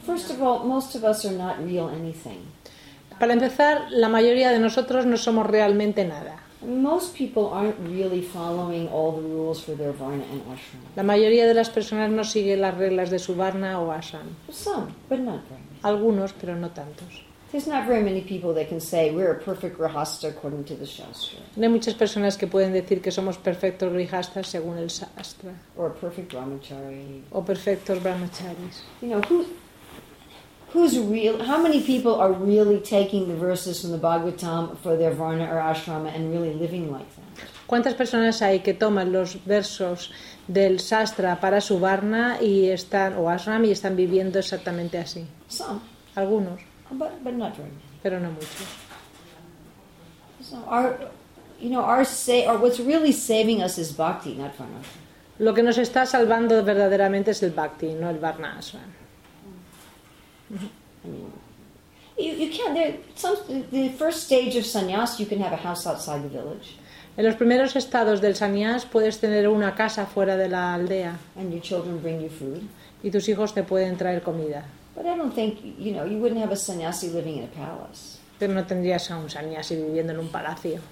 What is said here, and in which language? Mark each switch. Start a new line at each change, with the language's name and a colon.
English: First of all, most of us are not real anything.
Spanish: Para empezar, la mayoría de nosotros no somos realmente nada.
English: Most people aren't really following all the rules for their varna and ashram.
Spanish: La mayoría de las personas no sigue las reglas de su varna o ashram.
English: Some, but not very many.
Spanish: Algunos, pero no tantos.
English: There's not very many people that can say we're a perfect grihasta according to the shastra.
Spanish: No hay muchas personas que pueden decir que somos perfectos grihastas según el shastra.
English: Or a perfect brahmachari.
Spanish: O perfectos brahmacharis.
English: You know who's real? How many people are really taking the verses from the Bhagavatam for their varna or ashrama and really living like that?
Spanish: ¿Cuántas personas hay que toman los versos del shastra para su varna y están o ashram y están viviendo exactamente así?
English: Some.
Spanish: Algunos.
English: But not very many.
Spanish: Pero no mucho.
English: So our what's really saving us is bhakti, not varna.
Spanish: Lo que nos está salvando verdaderamente es el bhakti, no el varna ashram.
English: Mm-hmm. I mean, you can't. The first stage of sannyas, you can have a house outside the village.
Spanish: En los primeros estados del sannyas puedes tener una casa fuera de la aldea.
English: And your children bring you food.
Spanish: Y tus hijos te pueden traer comida.
English: But I don't think, you know, you wouldn't have a sannyasi living in a palace.
Spanish: Pero no tendrías a un sannyasi viviendo en un palacio.